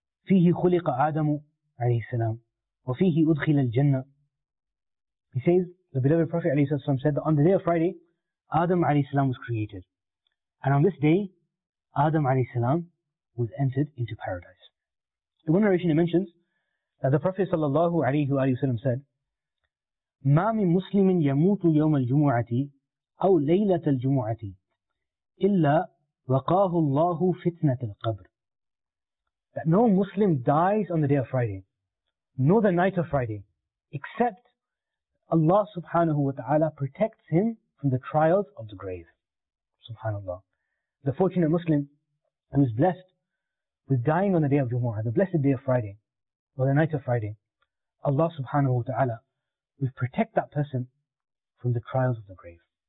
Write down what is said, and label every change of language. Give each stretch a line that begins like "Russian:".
Arabic: فِيهِ خُلِقَ آدَمُ عَلَيْهِ السَّلَامُ وَفِيهِ أُدْخِلَ الْجَنَّةِ.
English: He says, the beloved Prophet ﷺ said that on the day of Friday, Adam ﷺ was created. And on this day, Adam ﷺ was entered into paradise. In one narration it mentions that the Prophet ﷺ said,
Arabic: مَا مِن مُسْلِمٍ يَمُوتُ يَوْمَ الْجُمُعَةِ أَوْ لَيْلَةَ الْجُمُعَةِ إِلَّا وَقَاهُ اللَّهُ فِتْنَةَ الْقَبْرِ.
English: That no Muslim dies on the day of Friday, nor the night of Friday, except Allah subhanahu wa ta'ala protects him from the trials of the grave. Subhanallah. The fortunate Muslim who is blessed with dying on the day of Jumu'ah, the blessed day of Friday, or the night of Friday, Allah subhanahu wa ta'ala will protect that person from the trials of the grave.